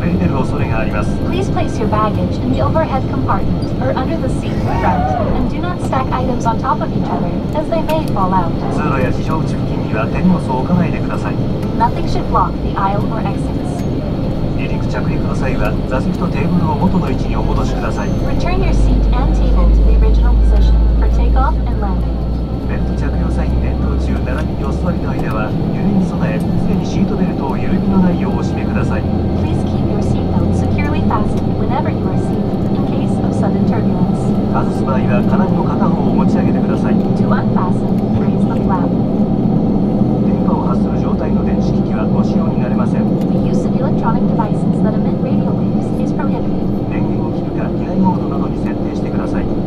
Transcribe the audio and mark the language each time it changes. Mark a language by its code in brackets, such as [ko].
[en] Please place your baggage in the overhead compartment or under the seat in front, and do not stack items on top of each other, as they may fall out. [ja] 通路や非常口付近には手荷物を置かないでください。 [en] Nothing should block the aisle or exits. [ja] 離陸着陸の際は座席とテーブルを元の位置にお戻しください。 [en] Return your seat and table to the original position for takeoff and landing. [ja] ベルト着用際に連投中、並びにお座りの間は揺れに備え、常にシートベルトを緩みのないようお締めください。 [en] Please keep your seatbelt securely fastened whenever you are seated in case of sudden turbulence. [ja] 外す場合は金具の片方を持ち上げてください。 [en] To unfasten, raise the flap. [ja] 電波を発する状態の電子機器はご使用になれません。 [en] The use of electronic devices that emit radio waves is prohibited. [ja] 電源を切るか機内モードなどに設定してください。